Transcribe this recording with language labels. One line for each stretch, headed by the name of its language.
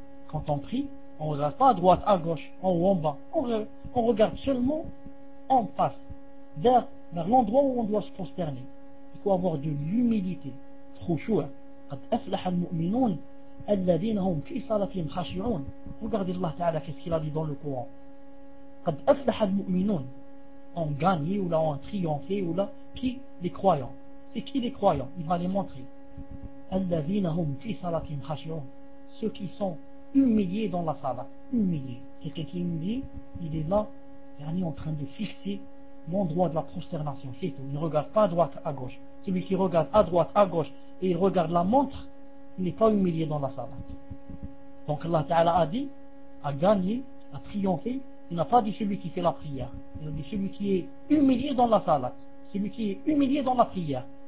French: Quand on prie, on ne regarde pas à droite, à gauche, en haut, en bas. On regarde seulement en face, vers l'endroit où on doit se prosterner. Il faut avoir de l'humilité.
Arabic: Khushu'a. قد أفلح المؤمنون الذين هم في صلاتهم خاشعون.
French: Regardez Allah Ta'ala qu'est-ce qu'il a dit dans le Coran.
Arabic: قد أفلح المؤمنون.
French: On gagne ou là on triomphe ou là. Qui? Les croyants. C'est qui les croyants? Il va les montrer.
Arabic: الذين هم في صلاتهم خاشعون.
French: Ceux qui sont humiliés dans la salat. Humiliés. C'est ce qu'il nous dit. Il est là, il est en train de fixer l'endroit de la prosternation. C'est tout. Il ne regarde pas à droite, à gauche. Celui qui regarde à droite, à gauche, et il regarde la montre, n'est pas humilié dans la salat. Donc Allah Ta'ala a dit, a gagné, a triomphé, il n'a pas dit celui qui fait la prière, il a dit celui qui est humilié dans la salat, celui qui est humilié dans la prière.